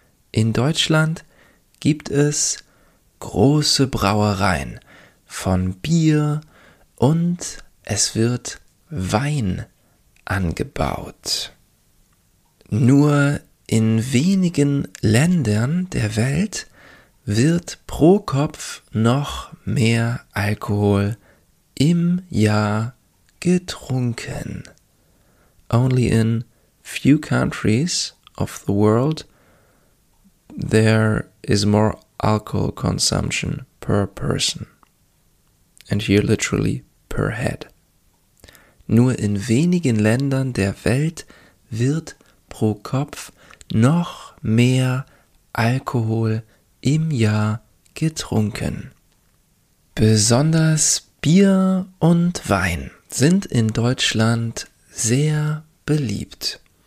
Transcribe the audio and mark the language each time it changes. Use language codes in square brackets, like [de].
[de] In Deutschland gibt es große Brauereien von Bier und es wird Wein angebaut. Nur in wenigen Ländern der Welt wird pro Kopf noch mehr Alkohol im Jahr getrunken. [en] Only in few countries of the world there is more alcohol consumption per person. And here literally per head. [de] Nur in wenigen Ländern der Welt wird pro Kopf noch mehr Alkohol im Jahr getrunken. Besonders Bier und Wein sind in Deutschland sehr beliebt.